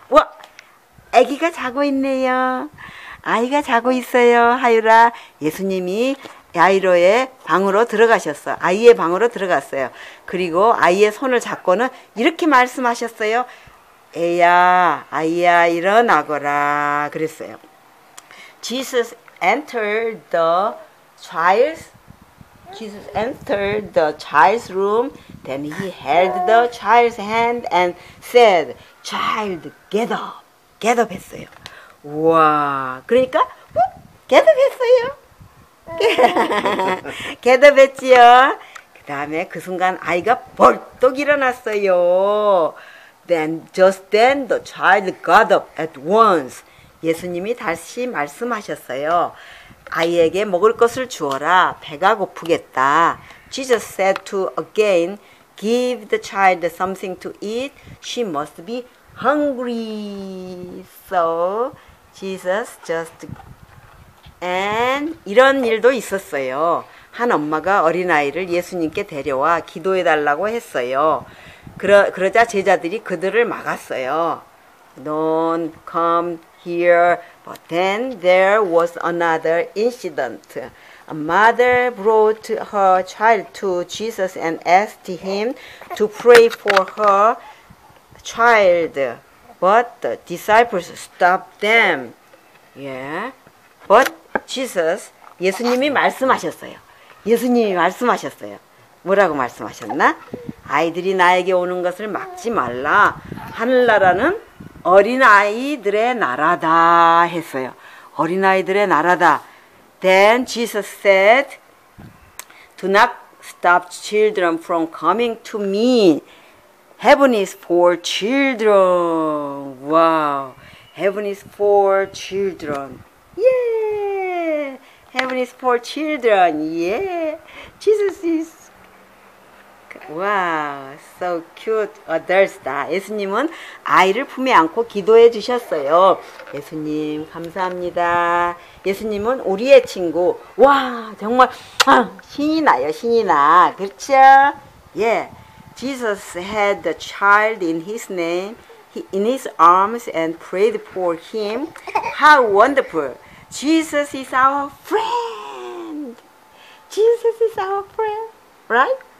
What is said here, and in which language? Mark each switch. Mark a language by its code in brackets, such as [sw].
[ko] 와, 아기가 자고 있네요. 아이가 자고 있어요, 하율아. 예수님이 야이로의 방으로 들어가셨어. 아이의 방으로 들어갔어요. 그리고 아이의 손을 잡고는 이렇게 말씀하셨어요. 애야, 아이야, 일어나거라. 그랬어요. [en] Jesus entered the child's Jesus entered the child's room. Then he held the child's hand and said, Child, get up. Get up [ko] 했어요. 우와. 그러니까, get up 했어요. get up 했지요. 그 다음에 그 순간 아이가 벌떡 일어났어요. [en] Then, just then, the child got up at once. [ko] 예수님이 다시 말씀하셨어요. 아이에게 먹을 것을 주어라. 배가 고프겠다. [en] Jesus said to again, Give the child something to eat. She must be hungry. So, Jesus just... And [ko] 이런 일도 있었어요. 한 엄마가 어린아이를 예수님께 데려와 기도해달라고 했어요. 그러자 제자들이 그들을 막았어요. [en] Don't come here. But then there was another incident. A mother brought her child to Jesus and asked him to pray for her child. But the disciples stopped them. Yeah. But Jesus, [ko] 예수님이 말씀하셨어요. 예수님이 말씀하셨어요. 뭐라고 말씀하셨나? 아이들이 나에게 오는 것을 막지 말라. 하늘나라는 어린아이들의 나라다 했어요. 어린아이들의 나라다. [en] Then Jesus said, Do not stop children from coming to me. Heaven is for children. Wow. Heaven is for children. Yeah. Heaven is for children. Yeah. Jesus is Wow, so cute, adults다. [ko] 예수님은 아이를 품에 안고 기도해 주셨어요. 예수님, 감사합니다. 예수님은 우리의 친구. 와, 정말 신이 나요, 신이 나. 그렇죠? [en] Yeah, Jesus had the child in his name, in his arms and prayed for him. How wonderful. Jesus is our friend. Jesus is our friend, right?